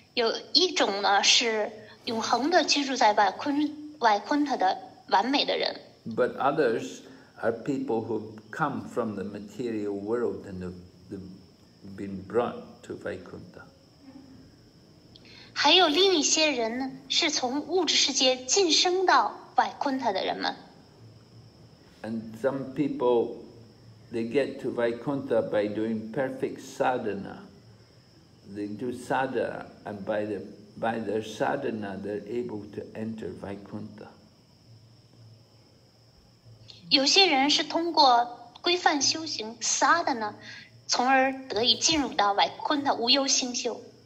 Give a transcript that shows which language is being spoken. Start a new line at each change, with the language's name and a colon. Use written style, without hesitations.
Chinese: 维昆特的居民分为不同的种类，有一种呢是。永恒地居住在外昆特的完美的人。But
English: others are people who come from the material world and have been brought to Vaikuntha.
Chinese: 还有另一些人是从物质世界晋升到外昆特的人们。And
English: some people, they get to Vaikuntha by doing perfect sadhana. They do sadhana and by their sadhana, they're able to enter Vaikuntha.
Chinese: 有些人是通过规范修行 sadhana, 从而得以进入到Vaikuntha无忧心修.